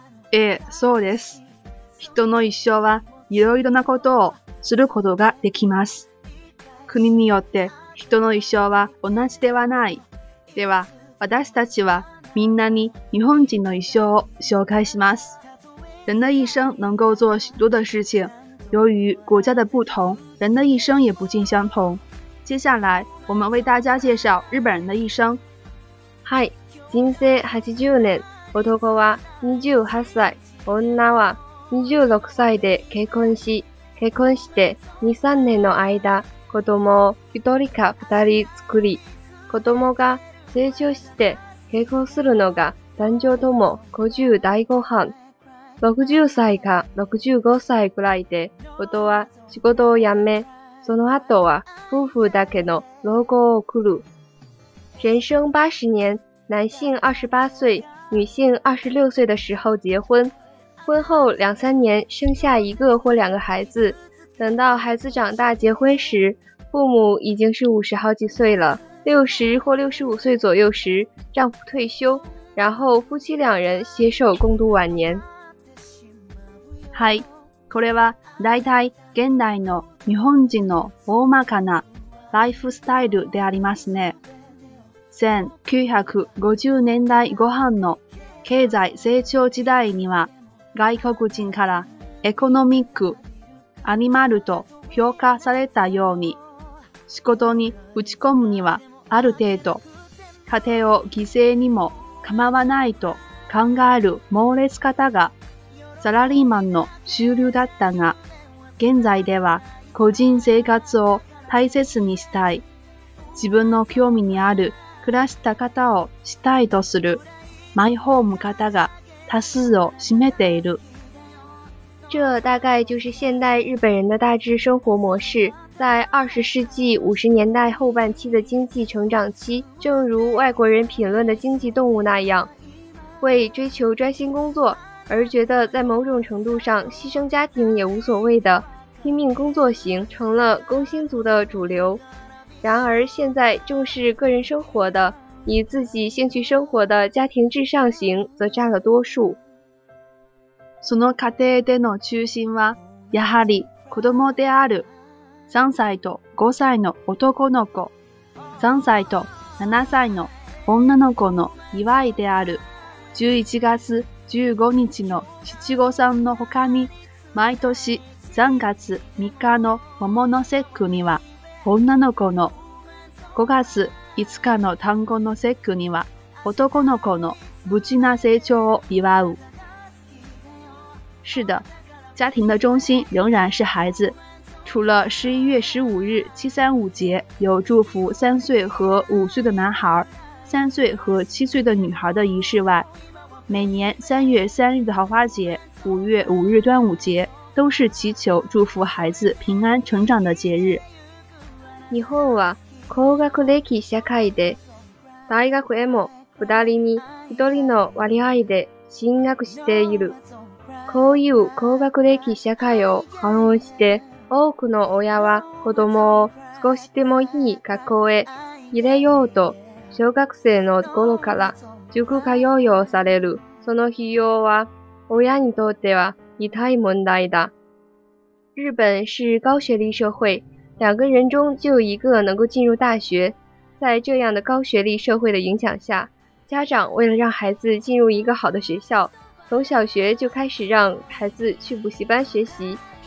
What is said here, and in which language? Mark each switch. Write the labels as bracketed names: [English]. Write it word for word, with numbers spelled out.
[Japanese] えー、そうです。人の一生はいろいろなことをすることができます。国によって人の一生は同じではない。では、私たちはみんなに日本人の一生を紹介します。 [Chinese] 人的一生能够做许多的事情。由于国家的不同，人的一生也不尽相同。接下来，我们为大家介绍日本人的一生。 [Japanese] はい、人生はちじゅうねん。男はにじゅうはっさい、女はにじゅうろくさいで結婚し、結婚してにじゅうさんねんの間、子供を一人か二人作り、子供が成長して結婚するのが男女ともごじゅう代後半。ろくじゅっさいかろくじゅうごさいくらいで夫は仕事を辞め、その後は夫婦だけの老後を送る。 [Chinese] 人生八十年，男性二十八岁，女性二十六岁的时候结婚，婚后两三年生下一个或两个孩子。等到孩子长大结婚时，父母已经是五十好几岁了。六十或六十五岁左右时，丈夫退休，然后夫妻两人携手共度晚年。 [Japanese] はい、これは大体現代の日本人の大まかなライフスタイルでありますね。せんきゅうひゃくごじゅうねんだい後半の経済成長時代には、外国人からエコノミックアニマルと評価されたように、仕事に打ち込むにはある程度、家庭を犠牲にも構わないと考える猛烈方がサラリーマンの主流だったが、現在では個人生活を大切にしたい、自分の興味にある暮らした方をしたいとするマイホーム方が多数を占めている。 [Chinese] 这大概就是现代日本人的大致生活模式。在二十世纪五十年代后半期的经济成长期，正如外国人评论的经济动物那样，为追求专心工作而觉得在某种程度上牺牲家庭也无所谓的拼命工作型，成了工薪族的主流。然而现在重视个人生活的、以自己兴趣生活的家庭至上型则占了多数。 [Japanese] その家庭での中心はやはり子供であるさんさいとごさいの男の子、さんさいとななさいの女の子の祝いである。じゅういちがつじゅうごにちの七五三の他に、毎年さんがつみっかの桃の節句には女の子の、ごがついつかの端午の節句には男の子の無事な成長を祝う。 [Chinese] 是的，家庭的中心仍然是孩子。除了十一月十五日七三五节有祝福三岁和五岁的男孩、三岁和七岁的女孩的仪式外，每年三月三日的桃花节、五月五日端午节都是祈求祝福孩子平安成长的节日。 [Japanese] 日本は高学歴社会で、大学へもふたりにひとりの割合で進学している。こういう高学歴社会を反映して、多くの親は子供を少しでもいい学校へ入れようと、小学生の頃から塾通いをされる。その費用は親にとっては痛い問題だ。 [Chinese] 日本是高学历社会，两个人中就一个能够进入大学。在这样的高学历社会的影响下，家长为了让孩子进入一个好的学校，从小学就开始让孩子去补习班学习。